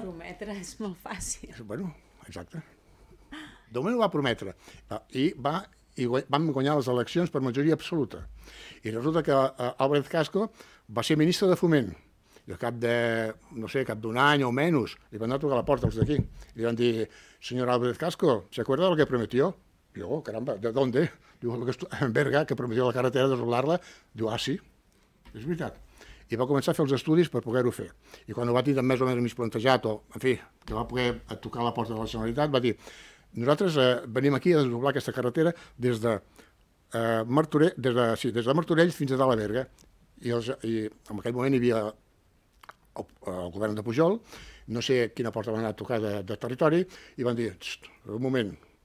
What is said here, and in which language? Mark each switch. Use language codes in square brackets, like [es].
[ca] Ho va prometre, és molt fàcil. Bueno, exacte. De moment ho va prometre. I vam guanyar les eleccions per majoria absoluta. I resulta que Álvarez Casco va ser ministre de Foment. I al cap de, no sé, cap d'un any o menys, li van anar a trucar a la porta els d'aquí. I li van dir, senyor Álvarez Casco, [es] ¿se acuerda lo que prometió? Diu, oh, caramba, ¿de dónde? Diu, en Berga, que prometió la carretera de doblar-la. [ca] Diu, ah, sí, és veritat. I va començar a fer els estudis per poder-ho fer. I quan ho va tindre més o menys plantejat, o, en fi, que va poder tocar la porta de la Generalitat, va dir... Nosaltres venim aquí a desdoblar aquesta carretera des de Martorell fins a dalt a Berga. I en aquell moment hi havia el govern de Pujol, no sé quina porta van anar a tocar de territori, i van dir, un moment,